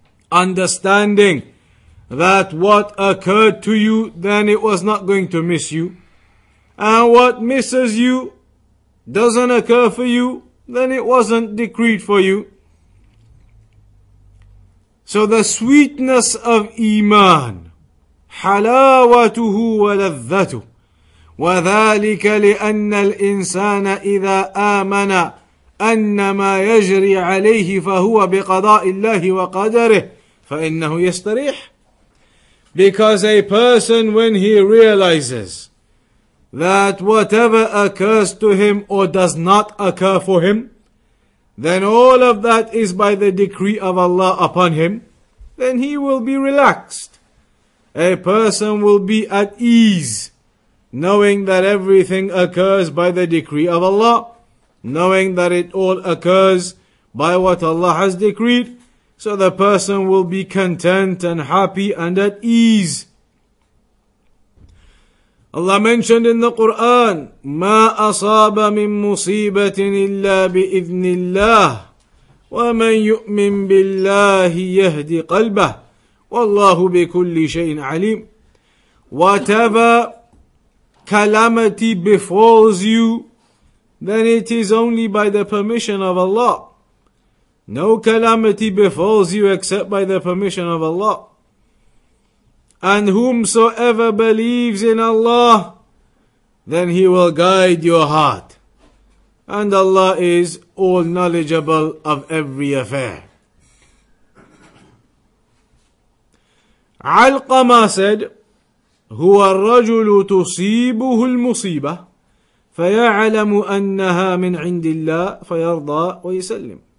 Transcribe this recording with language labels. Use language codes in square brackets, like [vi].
[en] Understanding that what occurred to you, then it was not going to miss you. And what misses you, doesn't occur for you, then it wasn't decreed for you. So the sweetness of Iman, [ar] حلاوته ولذته، وذلك لأن الإنسان إذا آمن أن ما يجري عليه فهو بقضاء الله وقدره فإنه يستريح. [en] Because a person, when he realizes that whatever occurs to him or does not occur for him, then all of that is by the decree of Allah upon him, then he will be relaxed. A person will be at ease, knowing that everything occurs by the decree of Allah, knowing that it all occurs by what Allah has decreed. So the person will be content and happy and at ease. Allah mentioned in the Quran, [ar] مَا أَصَابَ مِن مُصِيبَةٍ إِلَّا بِإِذْنِ اللَّهِ وَمَن يُؤْمِن بِاللَّهِ يَهْدِ قَلْبَهِ وَاللَّهُ بِكُلِّ شَيْءٍ عَلِيمٍ. [en] Whatever calamity befalls you, then it is only by the permission of Allah. No calamity befalls you except by the permission of Allah. And whomsoever believes in Allah, then He will guide your heart. And Allah is all knowledgeable of every affair. Alqama said, [ar] هو الرجل تصيبه المصيبة فيعلم أنها من عند الله فيرضى ويسلم.